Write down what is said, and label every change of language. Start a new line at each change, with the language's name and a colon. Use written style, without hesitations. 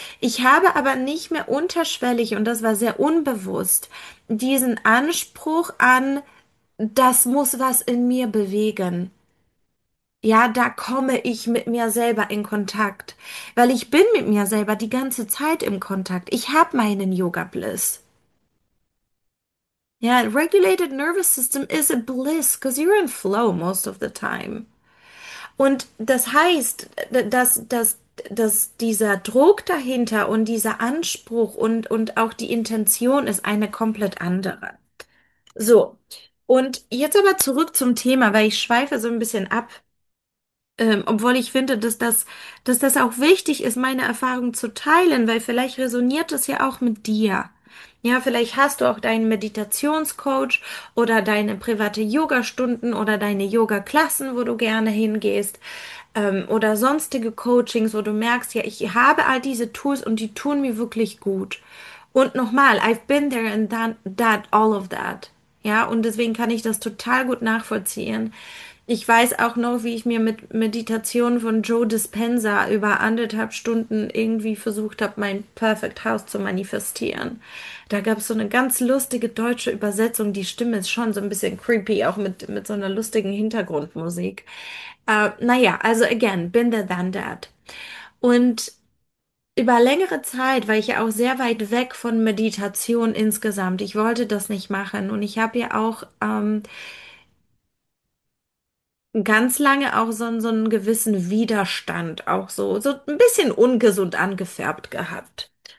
German: Ich habe aber nicht mehr unterschwellig, und das war sehr unbewusst, diesen Anspruch an: Das muss was in mir bewegen. Ja, da komme ich mit mir selber in Kontakt, weil ich bin mit mir selber die ganze Zeit im Kontakt. Ich habe meinen Yoga Bliss.
English: Ja, regulated nervous system is a bliss, because you're in flow most of the time.
German: Und das heißt, dass dieser Druck dahinter und dieser Anspruch und auch die Intention ist eine komplett andere. So. Und jetzt aber zurück zum Thema, weil ich schweife so ein bisschen ab, obwohl ich finde, dass das auch wichtig ist, meine Erfahrung zu teilen, weil vielleicht resoniert es ja auch mit dir. Ja, vielleicht hast du auch deinen Meditationscoach oder deine private Yogastunden oder deine Yoga-Klassen, wo du gerne hingehst. oder sonstige Coachings, wo du merkst, ja, ich habe all diese Tools und die tun mir wirklich gut. Und nochmal,
English: I've been there and done that, all of that.
German: Ja, und deswegen kann ich das total gut nachvollziehen. Ich weiß auch noch, wie ich mir mit Meditation von Joe Dispenza über 1,5 Stunden irgendwie versucht habe, mein Perfect House zu manifestieren. Da gab es so eine ganz lustige deutsche Übersetzung. Die Stimme ist schon so ein bisschen creepy, auch mit so einer lustigen Hintergrundmusik. Naja, also
English: again, been there, done that.
German: Und über längere Zeit war ich ja auch sehr weit weg von Meditation insgesamt. Ich wollte das nicht machen und ich habe ja auch ganz lange auch so einen gewissen Widerstand auch so ein bisschen ungesund angefärbt gehabt.